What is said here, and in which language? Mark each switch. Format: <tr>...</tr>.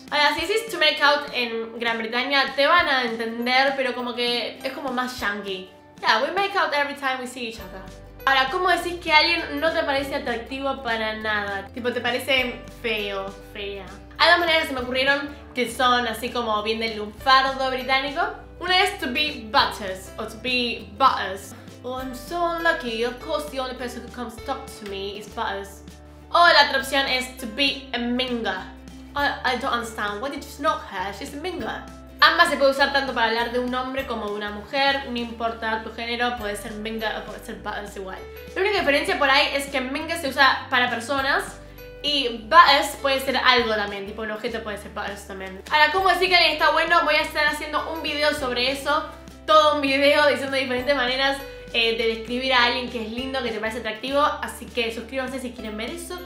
<es>Ahora, si dices to make out en Gran Bretaña, te van a entender, pero como que es como más yankee.</es> <en>Yeah, we make out every time we see each other.</en> <es>Ahora, ¿cómo decís que alguien no te parece atractivo para nada? Tipo, te parece feo, fea. Hay dos maneras que se me ocurrieron que son así como bien del lunfardo británico. Una es to be butters, o to be butters.</es> <en>Oh, I'm so unlucky, of course the only person who comes to talk to me is butters.</en> <es>O la otra opción es to be a minga.</es> <en>I don't understand, why did you snog her? She's a minga.</en> <es>Ambas se puede usar tanto para hablar de un hombre como de una mujer, no importa tu género, puede ser minga o puede ser butters igual. La única diferencia por ahí es que minga se usa para personas y butters puede ser algo también, tipo un objeto puede ser butters también. Ahora, ¿cómo decir que alguien está bueno? Voy a estar haciendo un video sobre eso, todo un video diciendo diferentes maneras de describir a alguien que es lindo, que te parece atractivo, así que suscríbanse si quieren ver eso.</es>